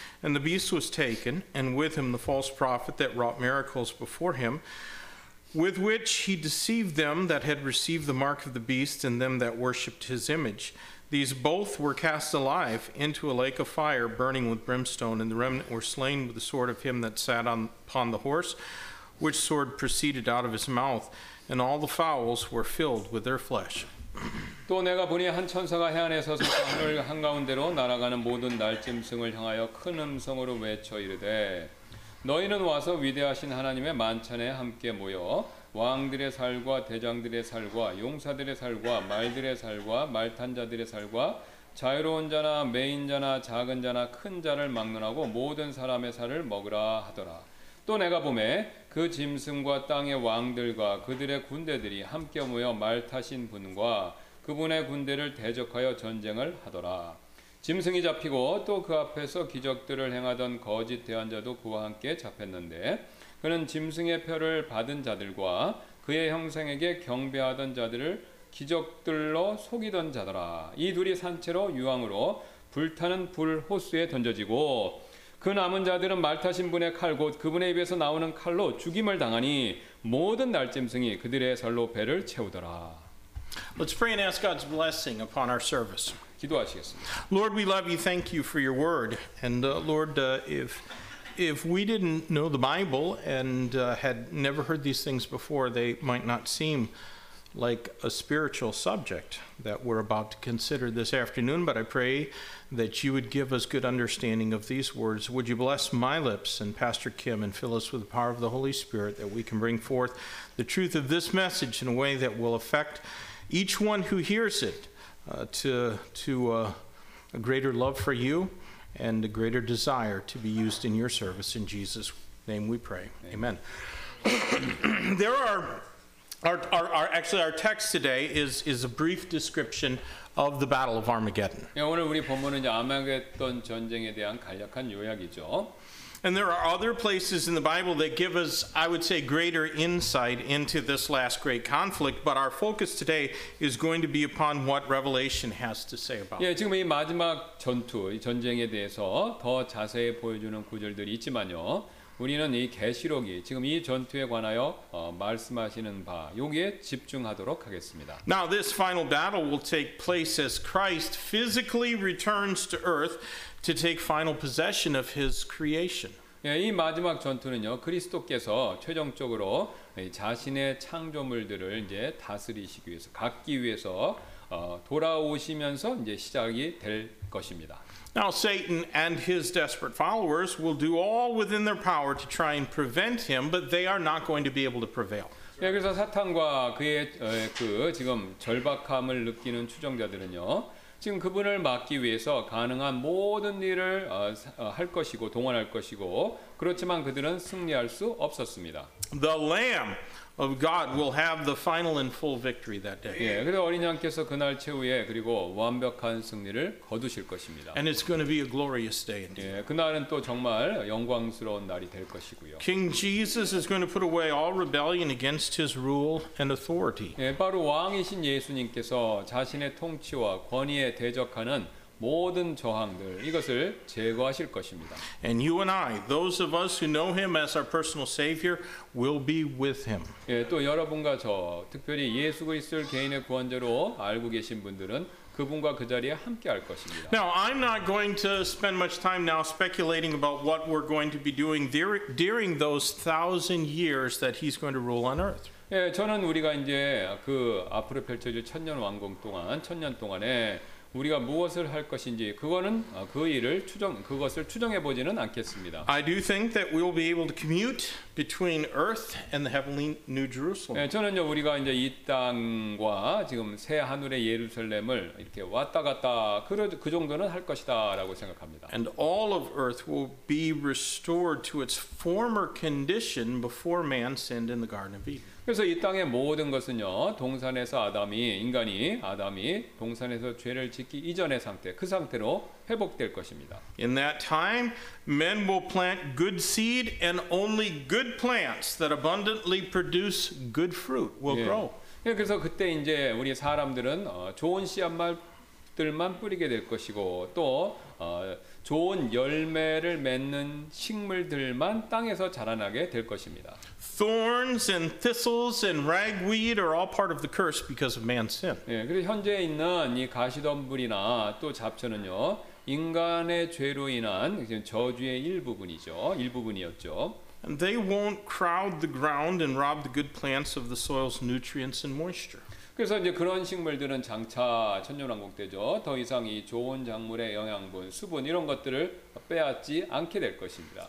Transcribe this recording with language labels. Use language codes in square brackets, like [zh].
[en] And the beast was taken, and with him the false prophet that wrought miracles before him, with which he deceived them that had received the mark of the beast and them that worshipped his image. These both were cast alive into a lake of fire burning with brimstone, and the remnant were slain with the sword of him that sat upon the horse, which sword proceeded out of his mouth, and all the fowls were filled with their flesh. [ko] 또 내가 보니 한 천사가 해안에 서서 하늘 한가운데로 날아가는 모든 날짐승을 향하여 큰 음성으로 외쳐 이르되 너희는 와서 위대하신 하나님의 만찬에 함께 모여 왕들의 살과 대장들의 살과 용사들의 살과 말들의 살과 말탄 자들의 살과 자유로운 자나 매인 자나 작은 자나 큰 자를 막론하고 모든 사람의 살을 먹으라 하더라. 또 내가 보매 그 짐승과 땅의 왕들과 그들의 군대들이 함께 모여 말 타신 분과 그분의 군대를 대적하여 전쟁을 하더라. 짐승이 잡히고 또 그 앞에서 기적들을 행하던 거짓 대언자도 그와 함께 잡혔는데 그는 짐승의 표를 받은 자들과 그의 형상에게 경배하던 자들을 기적들로 속이던 자더라. 이 둘이 산채로 유황으로 불타는 불 호수에 던져지고 그 남은 자들은 말 타신 분의 칼 곧 그분의 입에서 나오는 칼로 죽임을 당하니 모든 날짐승이 그들의 살로 배를 채우더라. [en] Let's pray and ask God's blessing upon our service. [ko] 기도하시겠습니다. [en] Lord, we love you. Thank you for your word. And Lord, if we didn't know the Bible and had never heard these things before, they might not seem like a spiritual subject that we're about to consider this afternoon, but I pray that you would give us good understanding of these words. Would you bless my lips and Pastor Kim and fill us with the power of the Holy Spirit that we can bring forth the truth of this message in a way that will affect each one who hears it to a greater love for you and a greater desire to be used in your service. In Jesus' name we pray. Amen. There are Our text today is a brief description of the Battle of Armageddon. [ko] 예, 오늘 우리 본문은 이제 아마겟돈 전쟁에 대한 간략한 요약이죠. [en] And there are other places in the Bible that give us, I would say, greater insight into this last great conflict. But our focus today is going to be upon what Revelation has to say about. [ko] 예, 지금 이 마지막 전투, 이 전쟁에 대해서 더 자세히 보여주는 구절들이 있지만요. 우리는 이 계시록이 지금 이 전투에 관하여 말씀하시는 바 여기에 집중하도록 하겠습니다. [en] Now this final battle will take place as Christ physically returns to earth to take final possession of his creation. [ko] 예, 이 마지막 전투는요. 그리스도께서 최종적으로 자신의 창조물들을 이제 다스리시기 위해서 갖기 위해서 돌아오시면서 이제 시작이 될 것입니다. [en] Now Satan and his desperate followers will do all within their power to try and prevent him, but they are not going to be able to prevail. [ko] 예, 그래서 사탄과 그의 그 지금 절박함을 느끼는 추종자들은요, 지금 그분을 막기 위해서 가능한 모든 일을 할 것이고 동원할 것이고 그렇지만 그들은 승리할 수 없었습니다. [en] The Lamb of God will have the final and full victory that day. [ko] 예, 그래서 어린 양께서 그날 최후에 그리고 완벽한 승리를 거두실 것입니다. [en] And it's going to be a glorious day indeed. [ko] 예, 그날은 또 정말 영광스러운 날이 될 것이고요. [en] King Jesus is going to put away all rebellion against his rule and authority. [ko] 예, 바로 왕이신 예수님께서 자신의 통치와 권위에 대적하는 모든 저항들 이것을 제거하실 것입니다. [en] And you and I, those of us who know him as our personal savior will be with him. [ko] 예, 또 여러분과 저 특별히 예수 그리스도를 개인의 구원자로 알고 계신 분들은 그분과 그 자리에 함께 할 것입니다. [en] Now I'm not going to spend much time now speculating about what we're going to be doing during those 1000 years that he's going to rule on earth. [ko] 예, 저는 우리가 이제 그 앞으로 펼쳐질 천년 왕국 동안 천년 동안에 우리가 무엇을 할 것인지 그거는 그 일을 추정 그것을 추정해 보지는 않겠습니다. [en] I do think that we will be able to commute between earth and the heavenly New Jerusalem. [ko] 예, 저는요 우리가 이제 이 땅과 지금 새 하늘의 예루살렘을 이렇게 왔다 갔다 그 정도는 할 것이다라고 생각합니다. [en] And all of earth will be restored to its former condition before man sinned in the Garden of Eden. [ko] 그래서 이 땅의 모든 것은요, 동산에서 아담이 동산에서 죄를 짓기 이전의 상태, 그 상태로 회복될 것입니다. [en] In that time, men will plant good seed and only good plants that abundantly produce good fruit will grow. [ko] 예, 그래서 그때 이제 우리 사람들은 좋은 씨앗들만 뿌리게 될 것이고 또 좋은 열매를 맺는 식물들만 땅에서 자라나게 될 것입니다. [en] Thorns and thistles and ragweed are all part of the curse because of man's sin. [ko] 예, 그리고 현재 있는 이 가시덤불이나 또 잡초는요 인간의 죄로 인한 저주의 일부분이었죠. [en] And they won't crowd the ground and rob the good plants of the soil's nutrients and moisture. [ko] 그래서 이제 그런 식물들은 장차 천년왕국 때죠. 더 이상 이 좋은 작물의 영양분, 수분 이런 것들을 빼앗지 않게 될 것입니다.